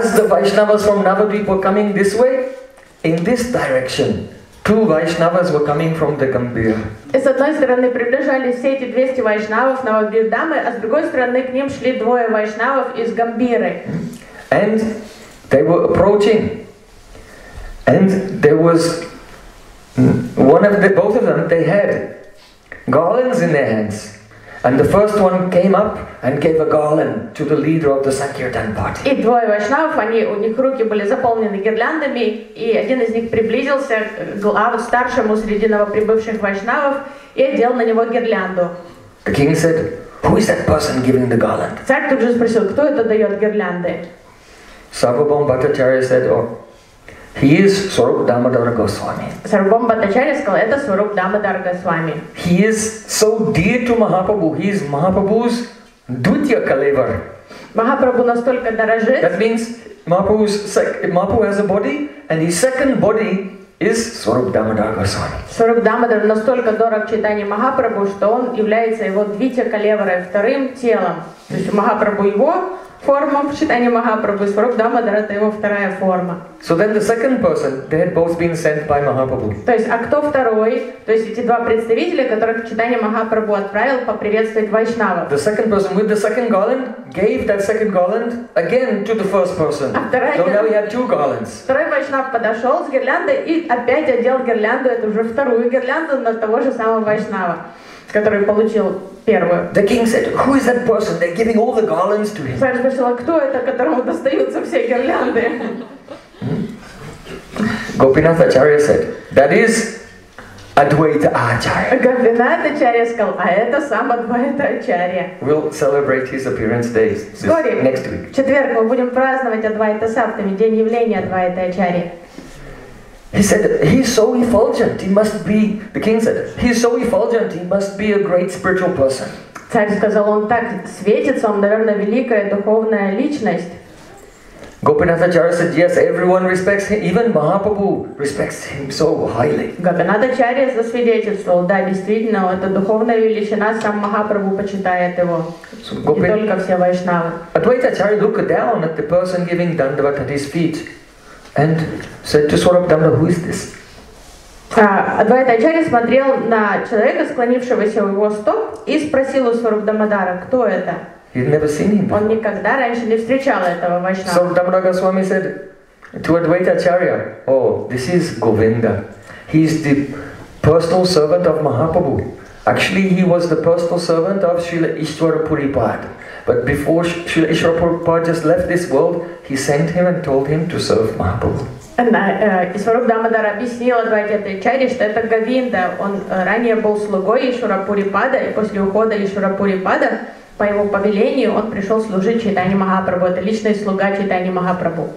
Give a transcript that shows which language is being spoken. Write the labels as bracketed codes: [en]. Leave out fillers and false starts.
[en] Vaishnavas from Navadvip were coming this way, in this direction. Two Vaishnavas were coming from the Gambir. [ru] С одной стороны приближались все эти 200 вайшнавов Навадвипдамы, а с другой стороны к ним шли двое вайшнавов из Гамбиры. [en] And they were approaching. And there was one of the both of them. They had garlands in their hands. And the first one came up and gave a garland to the leader of the Sankirtan party. [ru] И двое вайшнавов, у них руки были заполнены гирляндами, и один из них приблизился к старшему среди новоприбывших вайшнавов и одел на него гирлянду. [en] The king said, "Who is that person giving the garland?" [ru] Царь тут же спросил, кто это дает гирлянды. Сарвабхаумачарья said, "Oh, he is Swarup Damodara Goswami." Сарвабхаумачарья сказал, это Swarup Damodara Goswami. [en] He is so dear to Mahaprabhu. He is Mahaprabhu's dvitiya kalevar. [ru] Махапрабху настолько дорожит. [en] That means Mahaprabhu has a body, and his second body is Swarup Damodara Goswami. [ru] Swarup Damodara настолько дорог Чайтанье Махапрабху, что он является его двитиа калеварой, вторым телом. То есть Махапрабху его форма в Чайтанье Махапрабху, Swarup Damodara — это его вторая форма. [en] So then the second person, they had both been sent by Mahaprabhu. [ru] То есть, а кто второй? То есть эти два представителя, которых Чайтанья Махапрабху отправил поприветствовать вайшнавов. [en] The second person with the second garland gave that second garland again to the first person. [ru] А вторая, [en] so now he had two garlands. [ru] Второй вайшнав подошел с гирляндой и опять одел гирлянду, это уже вторую гирлянду на того же самого вайшнава, который получил первую. [en] The king said, "Who is that person? They're giving all the garlands to him." [ru] Царь спросил, кто это, которому достаются все гирлянды? [en] Gopinatha Acharya said, "That is Advaita Acharya. [ru] Garland Acharya сказал, а это сам Advaita Acharya. [en] We'll celebrate his appearance days next week. [ru] В четверг мы будем праздновать Advaita Саптами, день явления Advaita Acharya. [en] He said, he's so effulgent, he must be, the king said, he's so effulgent, he must be a great spiritual person. [ru] Царь сказал, он так светится, он, наверное, великая духовная личность. [en] Gopinath Acharya said, yes, everyone respects him. Even Mahaprabhu respects him so highly. [ru] Gopinath Acharya засвидетельствовал, да, действительно, это духовная величина, сам Махапрабху почитает его. Не только все вайшнавы. [en] Advaita Acharya looked down at the person giving dandavat at his feet and said to Swarup Dandava, who is this? [ru] Advaita Acharya смотрел на человека, склонившегося у его стоп, и спросил у Swarup Dandavadara, кто это? [en] He'd never seen him before. [ru] Он никогда раньше не встречал этого вайшнава. [en] So Damodara Swami said to Advaita Acharya, oh, this is Govinda. He is the personal servant of Mahaprabhu. Actually, he was the personal servant of Srila Ishwara Puripad. But before Srila Ishwara Puripad just left this world, he sent him and told him to serve Mahaprabhu. [ru] И Сваруп Дамодара объяснил Адвайте Ачарье, что это Говинда. Он ранее был слугой Ишвара Пурипада, и после ухода Ишвара Пурипада по его повелению он пришел служить Чайтанье Махапрабху. Это личный слуга Чайтанье Махапрабху.